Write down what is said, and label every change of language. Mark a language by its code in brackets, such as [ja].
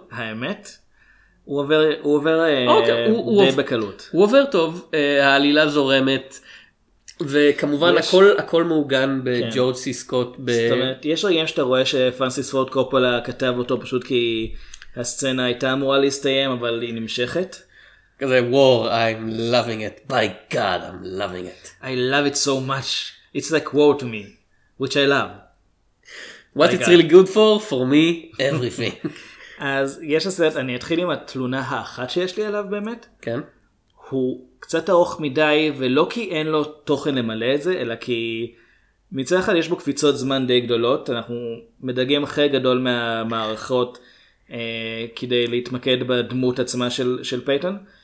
[he] האמת? הוא עובר די בקלות. הוא עובר טוב, העלילה זורמת, וכמובן הכל מעוגן בג'ורג' סי סקוט. זאת אומרת, יש רגעים שאתה רואה שפרנסיס פורד קופולה כתב אותו פשוט כי הסצנה הייתה אמורה להסתיים, אבל היא נמשכת. כזה, [en] war, I'm loving it. By God, I'm loving it. I love it so much. It's like war to me, which I love. What it's really good for me, everything. [he] אז יש הסרט, אני אתחיל עם התלונה האחת שיש לי עליו באמת. כן. הוא קצת ארוך מדי, ולא כי אין לו תוכן למלא את זה, אלא כי מצד אחד יש בו קפיצות זמן די גדולות, אנחנו מדגים אחרי גדול מהמערכות כדי להתמקד בדמות עצמה של פייטון.